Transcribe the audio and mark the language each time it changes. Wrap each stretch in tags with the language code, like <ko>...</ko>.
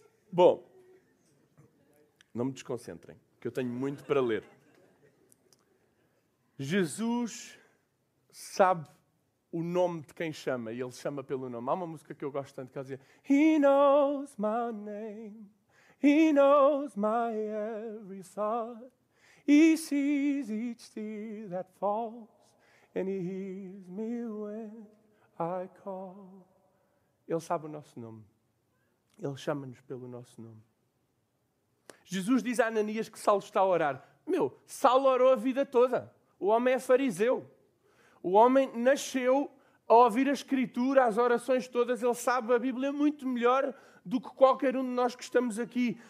<pt>Bom, não me desconcentrem, que eu tenho muito para ler. Jesus sabe o nome de quem chama e ele chama pelo nome. Há uma música que eu gosto tanto que ela dizia</pt> <en>He knows my name. He knows my every thought. He sees each tear that falls. And he hears me when I call.</en> <pt>Ele sabe o nosso nome. Ele chama-nos pelo nosso nome. Jesus diz a Ananias que Saulo está a orar. Meu, Saulo orou a vida toda. O homem é fariseu. O homem nasceu a ouvir a Escritura, as orações todas. Ele sabe a Bíblia muito melhor do que qualquer um de nós que estamos aqui.</pt>